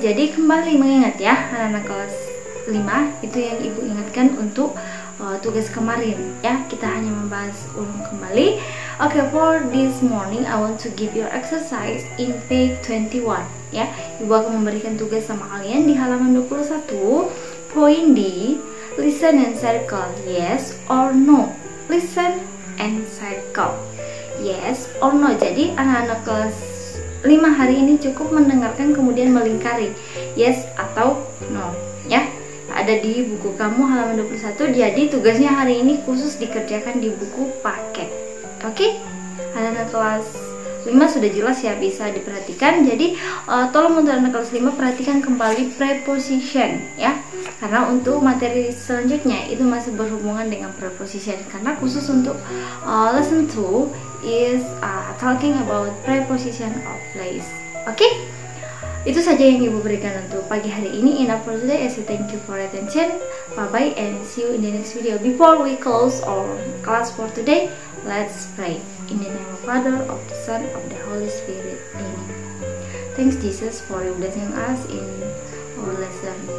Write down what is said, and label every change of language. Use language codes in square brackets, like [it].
[id] Jadi kembali mengingat ya anak-anak kelas 5, itu yang ibu ingatkan untuk tugas kemarin ya. Kita hanya membahas ulang kembali. [en] Oke, okay, for this morning I want to give you exercise in page 21 ya. [id] Ibu akan memberikan tugas sama kalian di halaman 21. Point D, [en] listen and circle yes or no. Listen and circle yes or no. [id] Jadi anak-anak kelas 5 hari ini cukup mendengarkan kemudian melingkari yes atau no ya. Ada di buku kamu halaman 21. Jadi tugasnya hari ini khusus dikerjakan di buku paket. Oke? Okay? Anak kelas 5 sudah jelas ya, bisa diperhatikan. Jadi tolong untuk anak kelas 5 perhatikan kembali preposition ya. Karena untuk materi selanjutnya itu masih berhubungan dengan preposition. Karena khusus untuk [en] lesson 2 is talking about preposition of place. Oke? Okay? [id] Itu saja yang ibu berikan untuk pagi hari ini. [en] Enough for today. I say thank you for attention. Bye bye and see you in the next video. Before we close our class for today, let's pray. In the name of Father, of the Son, of the Holy Spirit. Amen. Thanks Jesus for blessing us in our lesson.